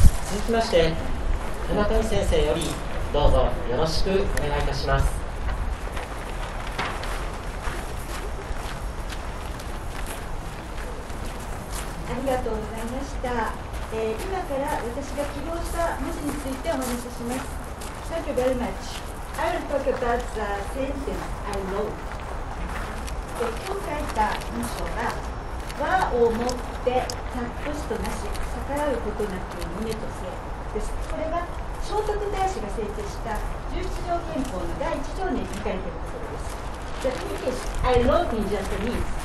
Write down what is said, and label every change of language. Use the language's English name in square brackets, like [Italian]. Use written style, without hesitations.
[Japanese] 続きまして、田中先生よりどうぞよろしくお願いいたします。ありがとうございました。今から私が希望した文字についてお話しします。 [English] Thank you very much. I will talk about the sentence I wrote. [Japanese] 今日書いた文章は、和をもってたっぷしとなし逆らうことなく胸とせです。これは聖徳太子が制定した十七条憲法の第一条に書かれているところです。 [English] The English I wrote in Japanese.